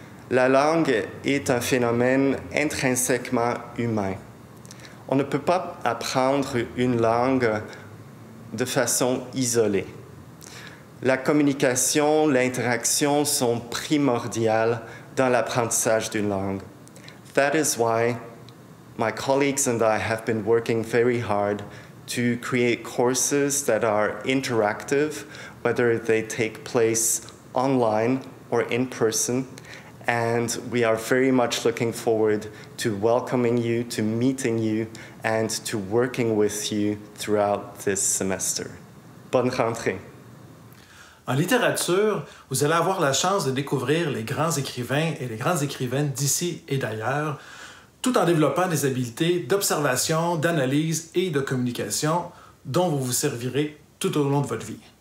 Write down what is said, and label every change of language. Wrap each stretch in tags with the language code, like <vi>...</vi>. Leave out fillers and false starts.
<fr>La langue est un phénomène intrinsèquement humain. On ne peut pas apprendre une langue de façon isolée. La communication, l'interaction sont primordiales dans l'apprentissage d'une langue.</fr> <en>That is why my colleagues and I have been working very hard to create courses that are interactive, whether they take place online or in person. And we are very much looking forward to welcoming you, to meeting you, and to working with you throughout this semester.</en> <fr>Bonne rentrée. En littérature, vous allez avoir la chance de découvrir les grands écrivains et les grandes écrivaines d'ici et d'ailleurs, tout en développant des habiletés d'observation, d'analyse et de communication dont vous vous servirez tout au long de votre vie.</fr>